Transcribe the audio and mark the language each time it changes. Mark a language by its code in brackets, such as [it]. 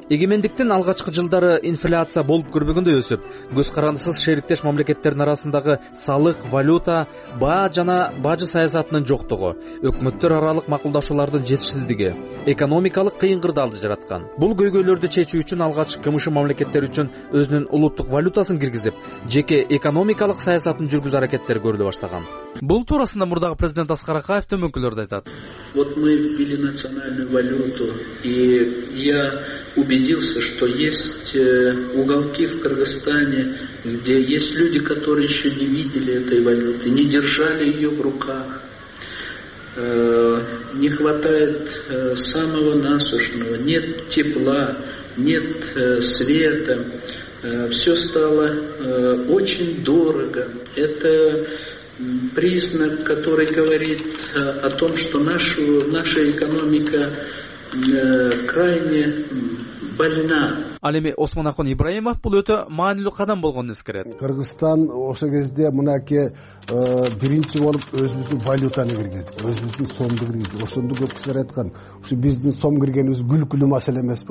[ky] Эгемендиктин алгачкы жылдары инфляция болуп көрбөгөндөй өсүп, көз карандысыз шериктеш мамлекеттердин арасындагы салык, валюта, баа жана бажы саясатынын жоктугу, өкмөттөр аралык макулдашуулардын жетишсиздиги экономикалык кыйын кырдаалды жараткан. Бул көйгөйлөрдү чечүү үчүн алгач КМШ мамлекеттери үчүн өзүнүн улуттук валютасын киргизип, жеке экономикалык саясатын жүргүзүү аракеттери көрүлө баштаган. Бул туурасында мурдагы президент Аскар Акаев төмөнкүлөрдү айтат. [ru] Вот мы ввели национальную валюту, и я убедился, что есть уголки в Кыргызстане, где есть люди, которые еще не видели этой валюты, не держали ее в руках. Не хватает самого насущного, нет тепла, нет света. Все стало очень дорого. Это признак, который говорит о том, что наша экономика крайне больна. [ky] Алеми Османахон Ибраимов бул өтө маанилүү кадам болгонун эскерет. Кыргызстан ошо кезде мынакей биринчи болуп өзүбүздүн валютаны киргизди, өзүбүздүн сомду киргизди. Ошондо көп кишилер айткан, ушу биздин сом киргенибиз күлкүлүү маселе эмеспи?